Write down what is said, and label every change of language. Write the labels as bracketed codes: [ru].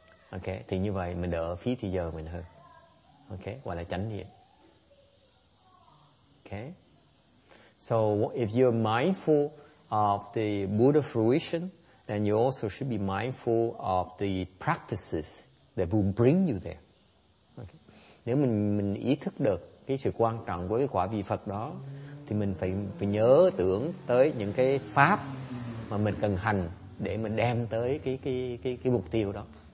[vi] Okay, thì như vậy mình đỡ phí thời giờ mình hơn. Okay, gọi là chánh niệm. [en] Okay. So if you're mindful of the Buddha fruition, then you also should be mindful of the practices that will bring you there. Okay. [vi] Nếu mình ý thức được cái sự quan trọng của cái quả vị Phật đó, thì mình phải nhớ tưởng tới những cái pháp mà mình cần hành để mình đem tới cái mục tiêu đó.